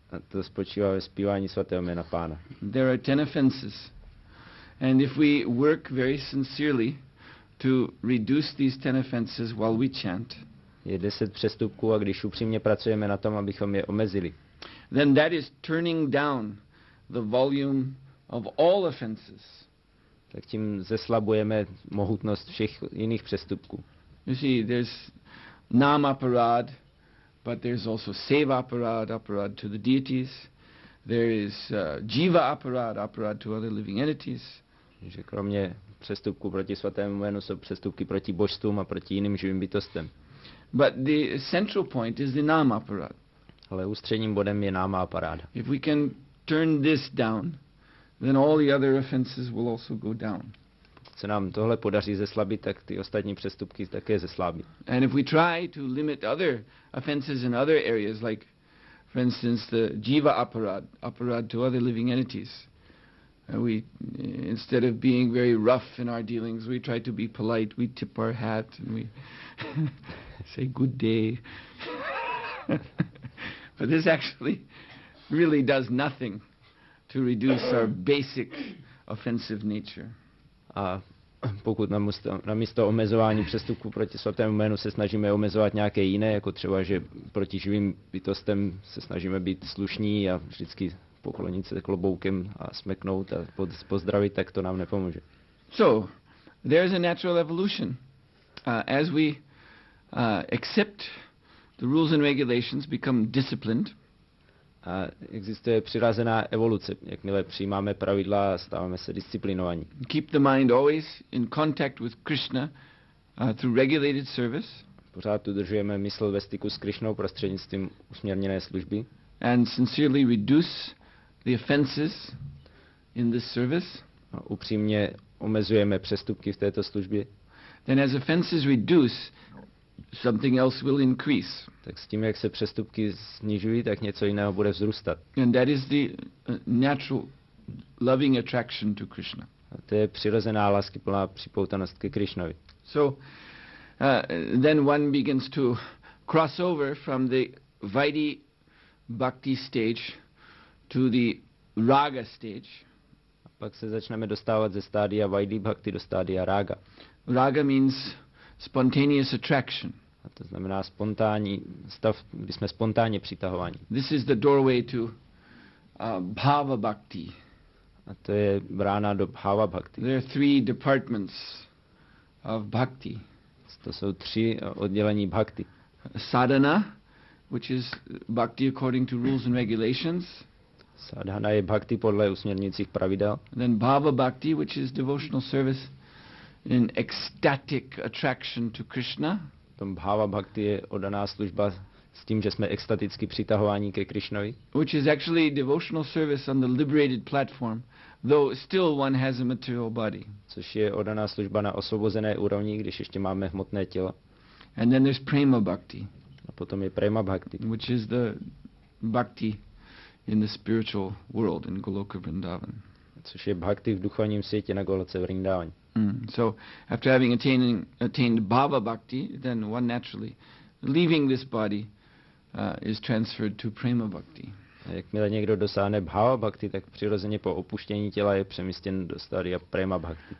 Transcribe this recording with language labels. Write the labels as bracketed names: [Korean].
[Czech] A to spočívá ve zpívání svatého jména Pána. [English] There are 10 offenses. And if we work very sincerely to reduce these 10 offenses while we chant. [Czech] Je 10 přestupků, a když upřímně pracujeme na tom, abychom je omezili. [English] Then that is turning down the volume of all offenses. [Czech] Tak tím zeslabujeme mohutnost všech jiných přestupků. [English] You see, there's nam aparad, but there's also seva aparad, aparad to the deities. There is jiva aparad, aparad to other living entities. [Czech] Že kromě přestupků proti svatému jménu jsou přestupky proti božstvům a proti jiným živým bytostem. [English] But the central point is the nam aparad. [Czech] Ale ústředním bodem je nam aparad. [English] If we can turn this down, then all the other offenses will also go down. [Czech] Pokud se nám tohle podaří zeslabit, tak ty ostatní přestupky také zeslábí. [English] And if we try to limit other offenses in other areas, like for instance the jiva aparad, aparad to other living entities, we, instead of being very rough in our dealings, we try to be polite, we tip our hat and we say good day. But this actually really does nothing to reduce our basic offensive nature. [Czech] A pokud namísto omezování přestupku proti svatému jménu se snažíme omezovat nějaké jiné, jako třeba, že proti živým bytostem se snažíme být slušní a vždycky poklonit se kloboukem a smeknout a pozdravit, tak to nám nepomůže. [English] So, there is a natural evolution. As we accept the rules and regulations, become disciplined, [Czech] a existuje přirozená evoluce, jakmile přijímáme pravidla a stáváme se disciplinovaní. [English] Keep the mind always in contact with Krishna through regulated service. [Czech] Pořád udržujeme mysl ve styku s Krishnou prostřednictvím usměrněné služby. [English] And sincerely reduce the offenses in this service. [Czech] A upřímně omezujeme přestupky v této službě. [English] Then as offenses reduce, something else will increase. [Czech] Tak s tím, jak se přestupky snižují, tak něco jiného bude vzrůstat. [English] And that is the natural loving attraction to Krishna. [Czech] A to je přirozená lásky plná připoutanost ke Krishnovi. [English] So then one begins to cross over from the Vaidhi Bhakti stage to the Raga stage. [Czech] A pak se začneme dostávat ze stádia Vaidhi Bhakti do stádia Raga. [English] Raga means spontaneous attraction. [Czech] A to znamená spontánní stav, kdy jsme spontánně přitahováni. [English] This is the doorway to bhava bhakti. [Czech] A to je brána do bhava bhakti. [English] There are three departments of bhakti. [Czech] To jsou tři oddělení bhakti. [English] Sadhana, which is bhakti according to rules and regulations. [Czech] Sadhana je bhakti podle usměrnících pravidel. [English] Then bhava bhakti, which is devotional service in ecstatic attraction to Krishna. [Czech] tom bhava bhakti je oddaná služba s tím, že jsme extaticky přitahováni ke Krišnovi. [English] Which is actually devotional service on the liberated platform, though still one has a material body. [Czech] Což je oddaná služba na osvobozené úrovni, když ještě máme hmotné tělo. [English] And then there's prema bhakti. [Czech] A potom je prema bhakti. [English] Which is the bhakti in the spiritual world in Goloka Vrindavan. [Czech] Což je bhakti v duchovním světě na Goloce Vrindavan. [English] So after having attained bhava bhakti, then one naturally leaving this body is transferred to prema bhakti. [Czech] Jakmile někdo dosáhne bhava bhakti, tak přirozeně po opuštění těla je přemístěn do stádia prema bhakti.